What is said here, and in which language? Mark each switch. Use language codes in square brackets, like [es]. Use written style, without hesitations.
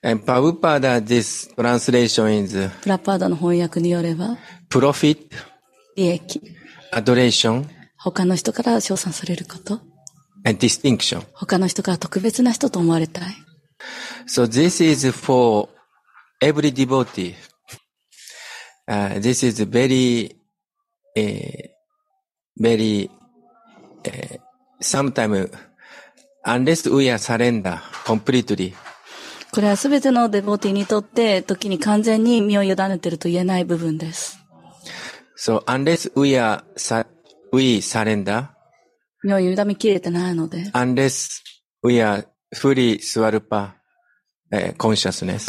[en] And パブパーダ、this translation is, [ja] プラパーダの翻訳によれば、 [en] プロフィット、 [ja] 利益、 [en] アドレーション、 [ja] 他の人から称賛されること、 [en] And ディスティンクション、 [ja] 他の人から特別な人と思われたい。 [en] So this is for every devotee. This is very, very, sometime,Unless we are surrender completely. [ja] これはすべてのデボティにとって、時に完全に身を委ねていると言えない部分です。 [en] So, unless we are, we surrender. [ja] 身を委ね切れてないので。 [en] Unless we are fully swarupa consciousness.